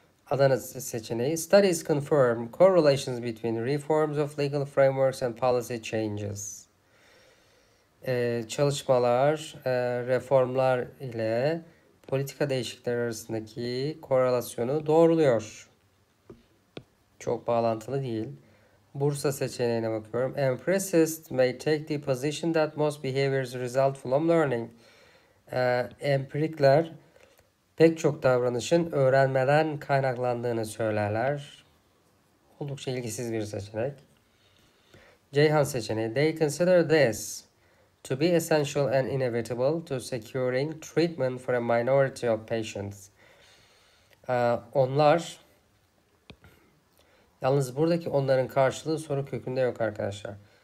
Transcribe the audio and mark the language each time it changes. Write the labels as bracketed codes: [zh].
[tr] Adana seçeneği. [en] Studies confirm correlations between reforms of legal frameworks and policy changes. [tr] Çalışmalar, reformlar ile politika değişiklikleri arasındaki korelasyonu doğruluyor. Çok bağlantılı değil. Bursa seçeneğine bakıyorum. [en] Empiricists may take the position that most behaviors result from learning. [tr] Empirikler pek çok davranışın öğrenmeden kaynaklandığını söylerler. Oldukça ilgisiz bir seçenek. Ceyhan seçeneği. [en] They consider this to be essential and inevitable to securing treatment for a minority of patients. [tr] Onlar, yalnız buradaki onların karşılığı soru kökünde yok arkadaşlar.